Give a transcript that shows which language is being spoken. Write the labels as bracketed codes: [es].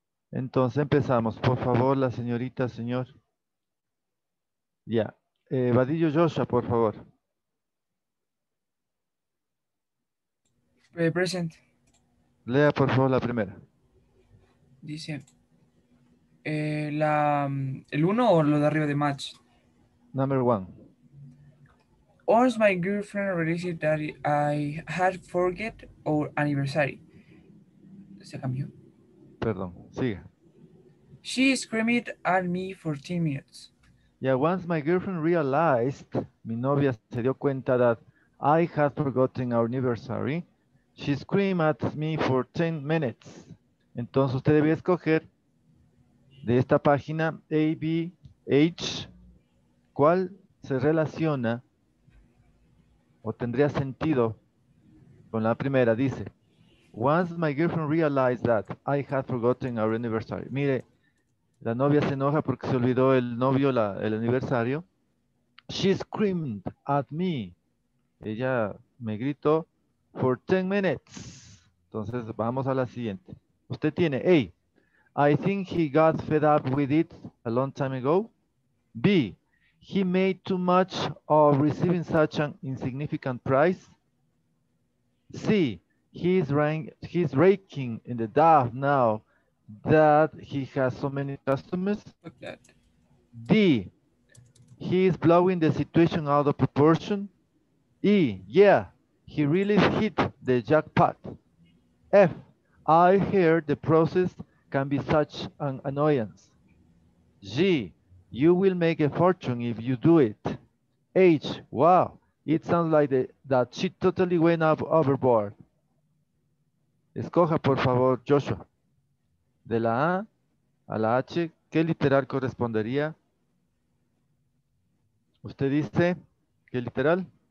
[es] Entonces empezamos, por favor, la señorita, señor. Ya, Vadillo Joshua, por favor. [en] Present. [es] Lea, por favor, la primera. Dice, ¿el uno o lo de arriba de match? [en] Number one. Once my girlfriend realized that I had forget our anniversary. [es] Se cambió. Perdón, sigue. [en] She screamed at me for 10 minutes. Yeah, once my girlfriend realized, [es] mi novia se dio cuenta [en] that I had forgotten our anniversary, she screamed at me for 10 minutes. [es] Entonces usted debe escoger de esta página A, B, H, ¿cuál se relaciona o tendría sentido con la primera? [en] Dice, once my girlfriend realized that I had forgotten our anniversary. [es] Mire, la novia se enoja porque se olvidó el novio, el aniversario. [en] She screamed at me. [es] Ella me gritó [en] for 10 minutes. [es] Entonces, vamos a la siguiente. Usted tiene A. [en] I think he got fed up with it a long time ago. B. He made too much of receiving such an insignificant prize. C. He's raking in the dough now that he has so many customers. D. He is blowing the situation out of proportion. E. Yeah, he really hit the jackpot. F. I hear the process can be such an annoyance. G. You will make a fortune if you do it. H. Wow. It sounds like that she totally went up overboard. [es] Escoja, por favor, Joshua. De la A a la H, ¿qué literal correspondería? ¿Usted dice qué literal?